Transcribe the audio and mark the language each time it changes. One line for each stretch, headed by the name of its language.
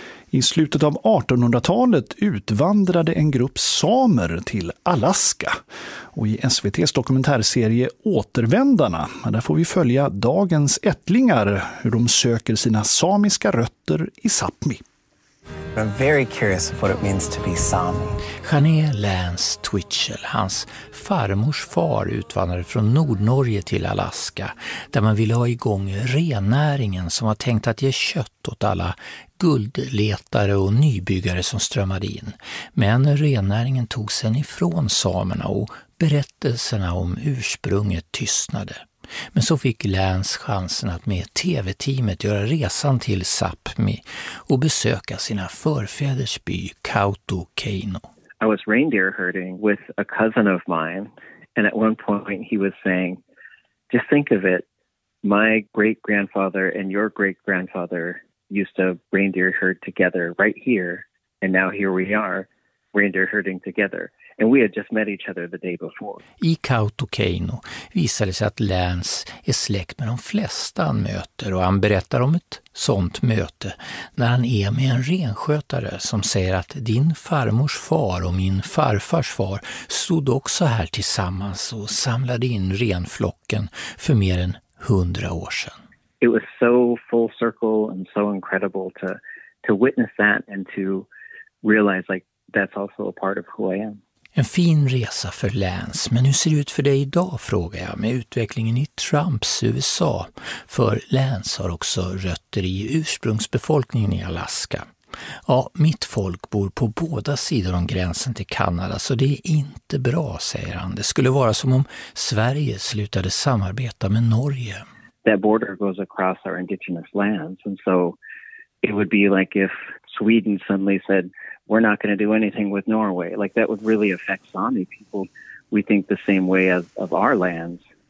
Swedish: I slutet av 1800-talet utvandrade en grupp samer till Alaska. Och i SVTs dokumentärserie Återvändarna, där får vi följa dagens ättlingar hur de söker sina samiska rötter i Sápmi.
English: I'm very curious of what it means to be Sami.
Swedish: Jané Lance Twitchell, hans farmors far, utvandrade från Nordnorge till Alaska där man ville ha igång rennäringen som var tänkt att ge kött åt alla guldletare och nybyggare som strömmade in. Men rennäringen tog sen ifrån samerna och berättelserna om ursprunget tystnade. Men så fick Lance chansen att med tv-teamet göra resan till Sápmi och besöka sina förfäders by Kautokeino.
English: I was reindeer herding with a cousin of mine, and at one point he was saying, just think of it, my great grandfather and your great grandfather used to reindeer herd together right here, and now here we are reindeer herding together. And we had just met each other the day before.
Swedish: I Kautokeino visade sig att Lance är släkt med de flesta han möter, och han berättar om ett sånt möte när han är med en renskötare som säger att din farmors far och min farfars far stod också här tillsammans och samlade in renflocken för mer än 100 år sedan.
English: It was so full circle and so incredible to witness that and to realize like that's also a part of who I am.
Swedish: En fin resa för Lance, men hur ser det ut för dig idag, frågar jag, med utvecklingen i Trumps USA. För Lance har också rötter i ursprungsbefolkningen i Alaska. Ja, mitt folk bor på båda sidor om gränsen till Kanada, så det är inte bra, säger han. Det skulle vara som om Sverige slutade samarbeta med Norge.
English: That border goes across our indigenous lands, and so it would be like if Sweden suddenly said, we're not going to do anything with Norway. Like that would really affect Sami people. We think the same way as of our lands.